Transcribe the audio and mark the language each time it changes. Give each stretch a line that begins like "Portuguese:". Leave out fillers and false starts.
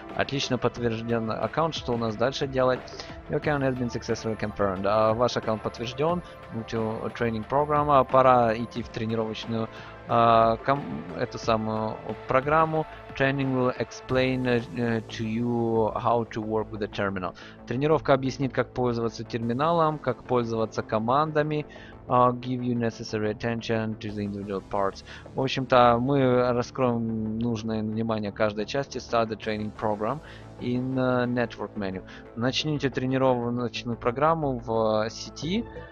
Russian: Отлично подтвержден аккаунт. Что у нас дальше делать?
English: Your account has been successfully confirmed.
Russian: Ваш аккаунт подтвержден.
English: To training program.
Russian: Пора идти в тренировочную эту самую программу.
English: Training will explain to you how to work with the terminal.
Russian: Тренировка объяснит, как пользоваться терминалом, как пользоваться командами.
English: Give you necessary attention to the individual parts.
Russian: В общем-то, мы раскроем нужное внимание каждой части.
English: Start the training program in network menu.
Russian: Начните тренировочную программу в сети.